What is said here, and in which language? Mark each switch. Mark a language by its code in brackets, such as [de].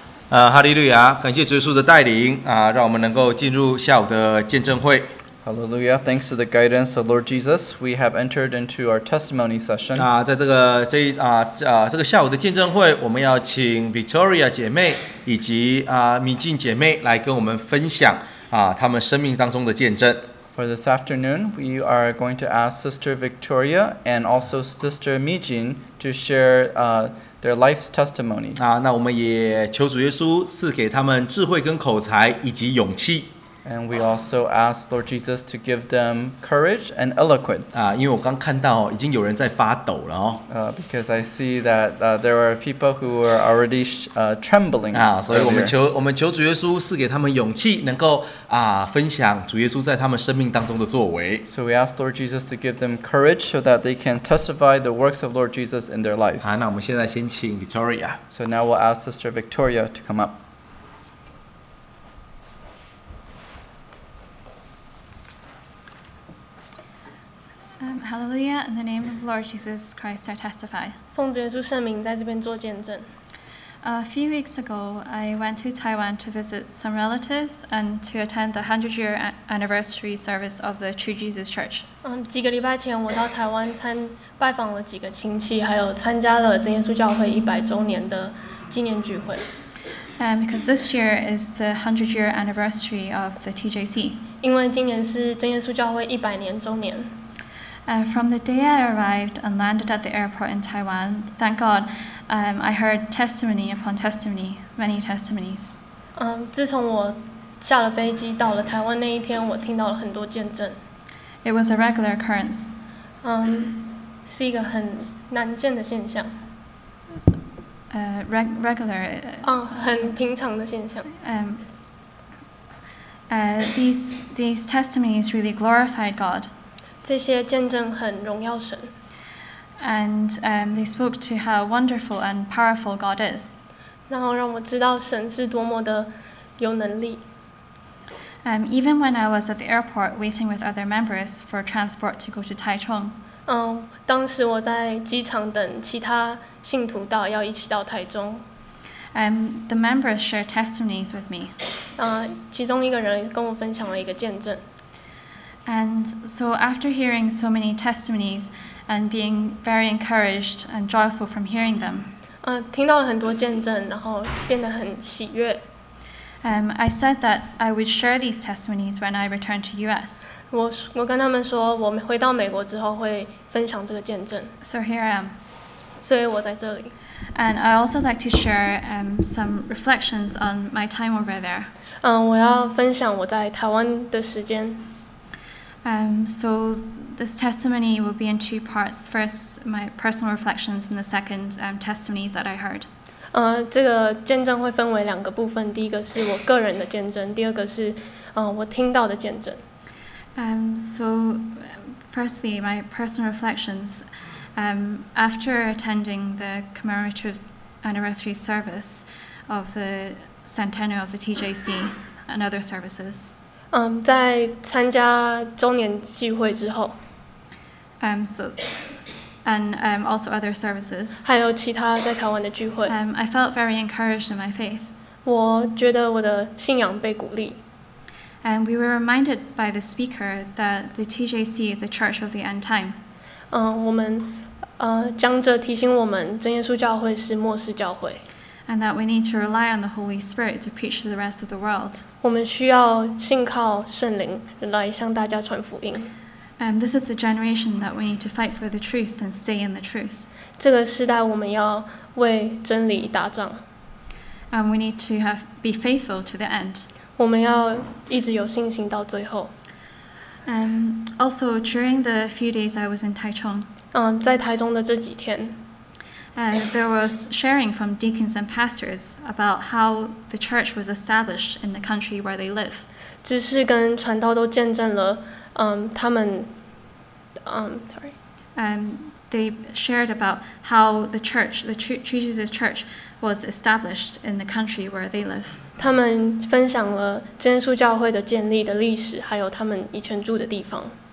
[zh] 哈利路亚，感谢耶稣的带领啊，让我们能够进入下午的见证会。 [en] Hallelujah, thanks to the guidance of Lord Jesus, we have entered into our testimony session. [zh] 在这个下午的见证会，我们要请 Victoria 姐妹以及敏静姐妹来跟我们分享她们生命当中的见证。 [en] For this afternoon, we are going to ask Sister Victoria and also Sister Mijin to share their life's testimonies. [zh] 那我们也求主耶稣赐给他们智慧跟口才以及勇气。 [en] And we also ask Lord Jesus to give them courage and eloquence. [zh] 因为我刚看到已经有人在发抖了 [en] Because I see that there are people who are already trembling. [zh] 所以我们求主耶稣赐给他们勇气，能够分享主耶稣在他们生命当中的作为。 [en] So we ask Lord Jesus to give them courage so that they can testify the works of Lord Jesus in their lives. [zh] 那我们现在先请 Victoria. [en] So now we'll ask Sister Victoria to come up. Hallelujah, in the name of Lord Jesus Christ, I testify. [zh] 奉主耶稣圣名在这边做见证。 [en] A few weeks ago, I went to Taiwan to visit some relatives and to attend the 100-year anniversary service of the True Jesus Church. [zh] 几个礼拜前我到台湾拜访了几个亲戚，还有参加了真耶稣教会100周年的纪念聚会。 [en] Because this year is the 100-year anniversary of the TJC. [zh] 因为今年是真耶稣教会100年周年。 [en] From the day I arrived and landed at the airport in Taiwan, thank God, I heard testimony upon testimony, many testimonies. [zh] 自从我下了飞机到了台湾那一天，我听到了很多见证。 [en] It was a regular occurrence. [zh] 是一个很难见的现象。 [en] Regular. [zh] 很平常的现象。 [en] These testimonies really glorified God. [zh] 这些见证很荣耀神。 [en] And they spoke to how wonderful and powerful God is. [zh] 然后让我知道神是多么的有能力。 [en] Even when I was at the airport waiting with other members for transport to go to Taichung. [zh] 当时我在机场等其他信徒到，要一起到台中。 [en] The members shared testimonies with me. [zh] 其中一个人跟我分享了一个见证。 [en] And so after hearing so many testimonies and being very encouraged and joyful from hearing them, [zh] 听到了很多见证，然后变得很喜悦。 [en] I said that I would share these testimonies when I returned to U.S. [zh] 我跟他们说，我回到美国之后会分享这个见证。 [en] So here I am. [zh] 所以我在这里。 [en] And I also like to share some reflections on my time over there. [zh] 我要分享我在台湾的时间。 [en] So this testimony will be in two parts. First, my personal reflections, and the second, testimonies that I heard. [zh] 这个见证会分为两个部分。第一个是我个人的见证，第二个是我听到的见证。 [en] So firstly, my personal reflections. After attending the commemorative anniversary service of the centennial of the TJC and other services. [zh] 在参加周年聚会之后 [en] also other services [zh] 还有其他在台湾的聚会 [en] I felt very encouraged in my faith [zh] 我觉得我的信仰被鼓励 [en] we were reminded by the speaker that the TJC is a church of the end time [zh] 我们讲者提醒我们真耶稣教会是末世教会 [en] And that we need to rely on the Holy Spirit to preach to the rest of the world. [zh] 我们需要信靠圣灵来向大家传福音。 [en] This is the generation that we need to fight for the truth and stay in the truth. [zh] 这个时代我们要为真理打仗。 [en] And we need to be faithful to the end. [zh] 我们要一直有信心到最后。 [en] Also, during the few days I was in Taichung. [zh] 在台中的这几天。 [en] There was sharing from deacons and pastors about how the church was established in the country where they live. [zh] 只是跟传道都见证了，他们，sorry. [en] They shared about how the church, the True Jesus Church, was established in the country where they live. [zh] 他们分享了真耶稣教会的建立的历史，还有他们以前住的地方。